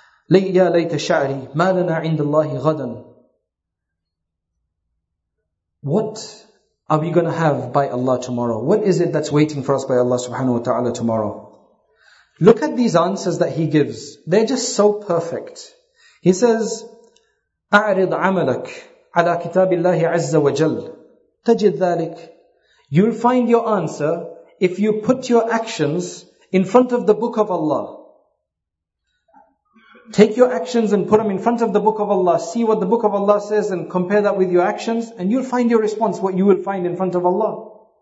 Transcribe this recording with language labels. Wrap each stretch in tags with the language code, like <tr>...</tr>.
<ar>يَا لَيْتَ شَعْرِي مَا لَنَا عِنْدَ اللَّهِ غَدًا.</ar> <en>What are we going to have by Allah tomorrow? What is it that's waiting for us by Allah subhanahu wa ta'ala tomorrow? Look at these answers that he gives. They're just so perfect. He says,</en> <ar>أَعْرِضْ عَمَلَكْ عَلَىٰ كِتَابِ اللَّهِ عَزَّ وَجَلَّ تَجِدْ ذَلِكْ.</ar> <en>You'll find your answer if you put your actions in front of the book of Allah. Take your actions and put them in front of the book of Allah. See what the book of Allah says and compare that with your actions. And you'll find your response, what you will find in front of Allah.</en>